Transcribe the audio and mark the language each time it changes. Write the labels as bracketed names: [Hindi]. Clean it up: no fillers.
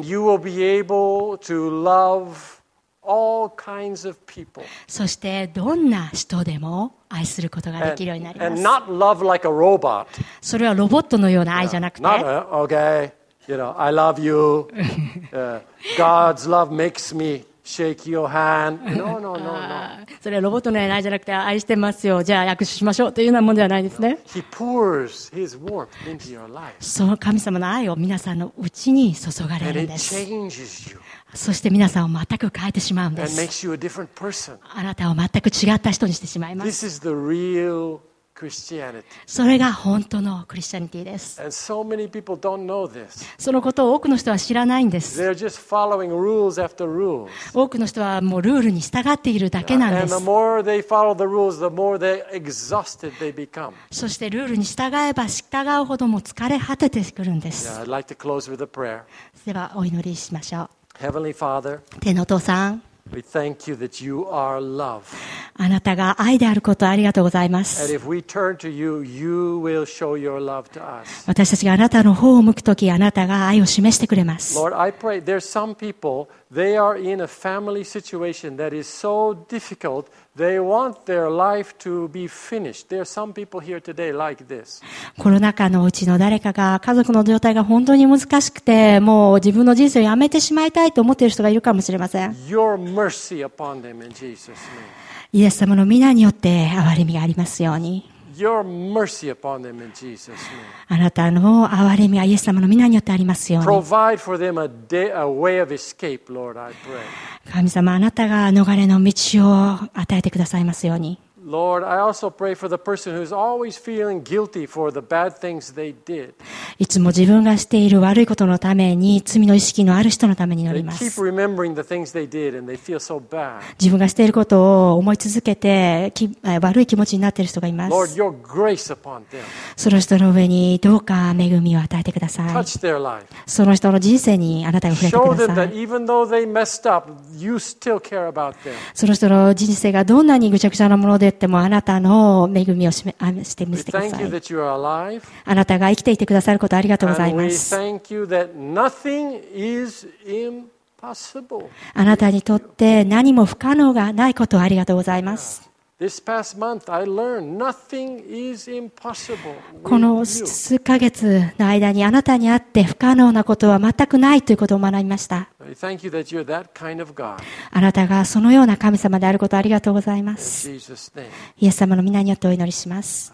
[English] And you will be able to love all kinds of people. [Japanese] そしてどんな人でも愛することができるようになります。 [English] and not love like a robot. [Japanese] それはロボットのような愛じゃなくて、 [English] not a, okay. You know, I love you. God's love makes me shake your hand. No, no, no, no. [Japanese] それはロボットの愛じゃなくて、愛してますよ。じゃあ訳しましょうというようなものではないですね。 [English] He pours His warmth into your life. [Japanese] その神様の愛を皆さんのうちに注がれるんです。 [English] And it changes you. [Japanese] そして皆さんを全く変えてしまうんです。 [English] And makes you a different person. [Japanese] あなたを全く違った人にしてしまいます。 [English] This is the real. Christianity. [Japanese] それが本当のクリスチャニティです。 [English] And so many people don't know this. [Japanese] そのことを多くの人は知らないんです。 [English] They're just following rules after rules. [Japanese] 多くの人はもうルールに従っているだけなんです。 [English] And the more they follow the rules, the more they exhausted they become. [Japanese] そしてルールに従えば従うほども疲れ果ててくるんです。 [English] Yeah, I'd like to close with a prayer. [Japanese] ではお祈りしましょう。 [English] Heavenly Father, [Japanese] 天のお父さん、 [English] We thank you that you are love. [Japanese] あなたが愛であることありがとうございます。 [English] And if we turn to you, you will show your love to us. [Japanese] 私たちがあなたの方を向くとき、あなたが愛を示してくれます。 [English] Lord, I pray there are some people, they are in a family situation that is so difficult, they want their life to be finished. There are some people here today like this. [Japanese] コロナ禍のうちの誰かが家族の状態が本当に難しくて、もう自分の人生をやめてしまいたいと思っている人がいるかもしれません。 [English] Your mercy upon them in Jesus' name. [Japanese] イエス様の御名によって憐れみがありますように。 [English] Your mercy upon them in Jesus name. [Japanese] あなたの憐れみがイエス様の御名によってありますように。 [English] Provide for them a way of escape, Lord, I pray. [Japanese] 神様、あなたが逃れの道を与えてくださいますように。 [English] Lord, I also pray for the person who's always feeling guilty for the bad things they did. [Japanese] いつも自分がしている悪いことのために、罪の意識のある人のために祈ります。 [English] They keep remembering the things they did and they feel so bad. [Japanese] 自分がしていることを思い続けて悪い気持ちになっている人がいます。 [English] Lord, your grace upon them. [Japanese] その人の上にどうか恵みを与えてください。 [English] Touch their life. [Japanese] その人の人生にあなたが触れてください。 [English] Show them that even though they messed up, you still care about them. [Japanese] その人の人生がどんなにぐちゃぐちゃなものであっても、あなたの恵みをしてみせてください。 [English] We thank you that you are alive. [Japanese] あなたが生きていてくださることありがとうございます。 [English] And we thank you that nothing is impossible. [Japanese] あなたにとって何も不可能がないことをありがとうございます。 [English] Yeah. This past month, I learned nothing is impossible. [Japanese] この数ヶ月の間にあなたに会って不可能なことは全くないということを学びました。 [English] We thank you that you're that kind of God. [Japanese] あなたがそのような神様であることをありがとうございます。 [English] In Jesus' name. [Japanese] イエス様の御名によってお祈りします。